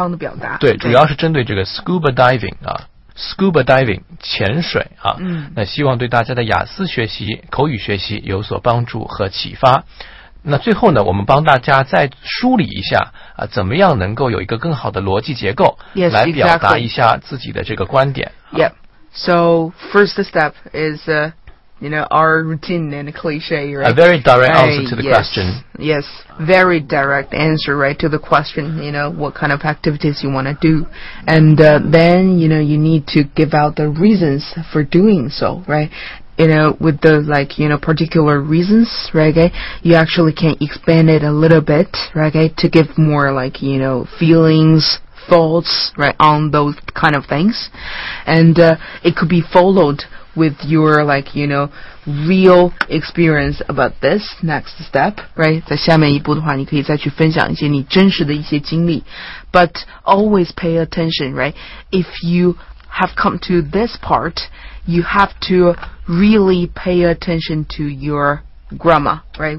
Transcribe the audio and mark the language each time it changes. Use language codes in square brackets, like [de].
[zh] 说的我也是很想去潜一下水啊，虽然我没有这样的体验过，但是呢，今天的节目做完以后呢，我就有这样的梦想了，一定要去水下看看，因为这水底下的世界啊，咱真没见过。那说了这么多呢，今天呢，我们就其实主要是讲怎么样能够去描述一个非常有意思的健康运动。嗯，而且我们给大家了一些基本的英文很棒的表达。对，主要是针对这个 scuba diving 啊。Scuba diving 潜水啊，那希望对大家的雅思学习、口语学习有所帮助和启发。那最后呢，我们帮大家再梳理一下啊，怎么样能够有一个更好的逻辑结构来表达一下自己的这个观点。Yep. [en] So first step is our routine and cliche, right? A very direct answer to the question. Yes, very direct answer, right, to the question, you know, what kind of activities you want to do. And then, you know, you need to give out the reasons for doing so, right? You know, with the, like, you know, particular reasons, right, okay, you actually can expand it a little bit, right, okay, to give more, like, you know, feelings, thoughts, right, on those kind of things. And it could be followed with your, like, you know, real experience about this next step, right? [zh] 在下面一步的话，你可以再去分享一些你真实的一些经历. [en] But always pay attention, right? If you have come to this part, you have to really pay attention to your grammar, right?